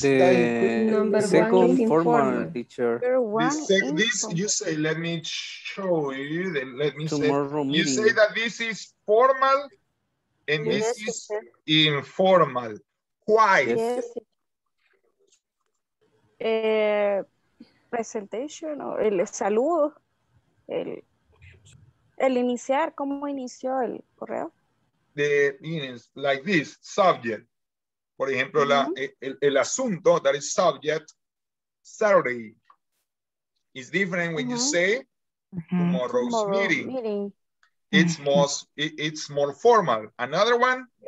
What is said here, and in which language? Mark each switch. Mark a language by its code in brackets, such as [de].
[en] the second formal teacher. You say that this is formal and this is informal. Why? Yes. [es] Presentation o el saludo, el iniciar, ¿cómo inició el correo? [en] The meanings like this subject. [es] Por ejemplo, el asunto, [en] that is subject, Saturday, is different when you say tomorrow's meeting. It's more formal. Another one?